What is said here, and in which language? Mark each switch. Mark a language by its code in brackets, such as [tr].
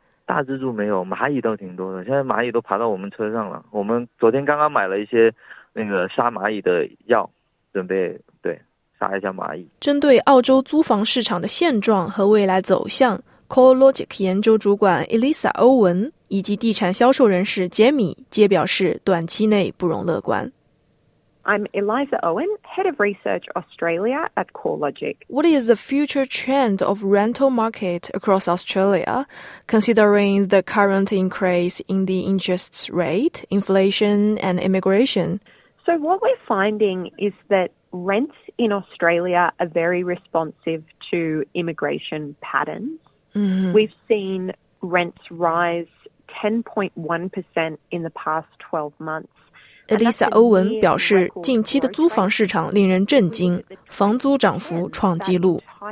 [zh] 大蜘蛛没有，蚂蚁倒挺多的。现在蚂蚁都爬到我们车上了。我们昨天刚刚买了一些那个杀蚂蚁的药，准备对杀一下蚂蚁。针对澳洲租房市场的现状和未来走向 ，CoreLogic 研究主管 Elisa 欧文以及地产销售人士 Jamie 皆表示，短期内不容乐观。 [en] I'm Eliza Owen, Head of Research Australia at CoreLogic. What is the future trend of rental market across Australia, considering the current increase in the interest rate, inflation and immigration? So what we're finding is that rents in Australia are very responsive to immigration patterns. Mm-hmm. We've seen rents rise 10.1% in the past 12 months. [zh] Elisa 欧文表示，近期的租房市场令人震惊，房租涨幅创纪录。